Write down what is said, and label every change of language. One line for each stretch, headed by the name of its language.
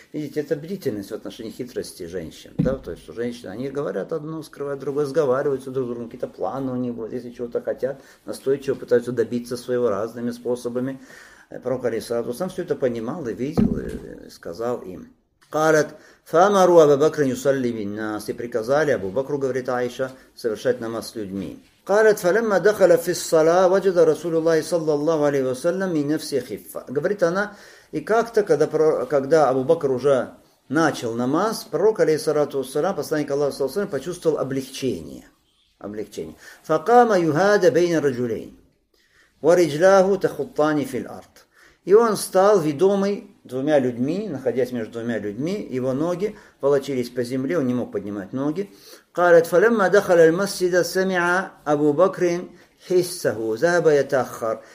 Russian: Видите, это бдительность в отношении хитрости женщин. Да? То есть, что женщины, они говорят одно, скрывают другое, сговариваются друг с другом, какие-то планы у них будут, если чего-то хотят, настойчиво пытаются добиться своего разными способами. Пророк Алисарату сам все это понимал и видел, и сказал им.
Arabic: قالت فأمر أبو بكر يصلي بالناس
Russian: приказали
Arabic: أبو بكر
Russian: говорит Аиша совершать намаз с людьми.
Arabic: قالت فلما دخل في الصلاة وجد رسول الله صلى الله عليه وسلم من نفسه خفة.
Russian: Говорит она, и как-то когда Абу Бакр уже начал намаз, пророк алейхиссалату вассалям, посланник Аллаха саллаллаху алейхи ва саллям, почувствовал облегчение.
Arabic: فقام يهادى بين الرجلين ورجلاه تخطان في الأرض.
Russian: И он стал ведомый двумя людьми, находясь между двумя людьми, его ноги волочились по земле, он не мог поднимать ноги.
Arabic: قالت فلما دخل المسجد سمع أبو بكر حسه ذهب يتأخر.